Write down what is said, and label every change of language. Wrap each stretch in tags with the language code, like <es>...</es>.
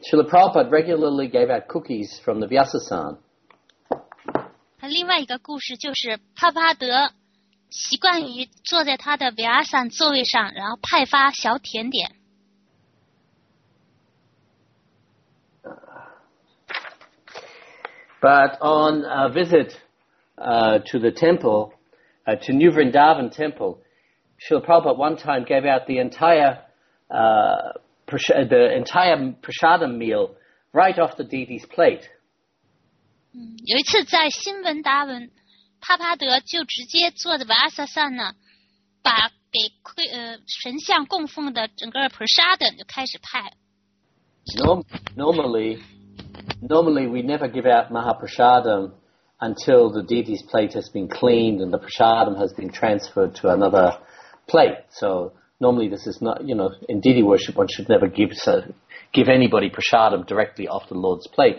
<en>Srila Prabhupada regularly gave out cookies from the Vyasasan.</en> <zh>另外一个故事就是帕帕德习惯于坐在他的 Vyasan 座位上，然后派发小甜点。</zh> <en>But on a visit to the temple, to New Vrindavan temple, Srila Prabhupada one time gave out the entire prasadam meal right off the deity's plate.</en> <zh>有一次在新文达文，帕帕德就直接坐在瓦萨萨那，把给神像供奉的整个prasadam就开始派。</zh> <en>normally we never give out Mahaprasadam until the deity's plate has been cleaned and the prasadam has been transferred to another plate. So normally this is not, you know, in deity worship one should never give anybody prasadam directly off the Lord's plate.</en>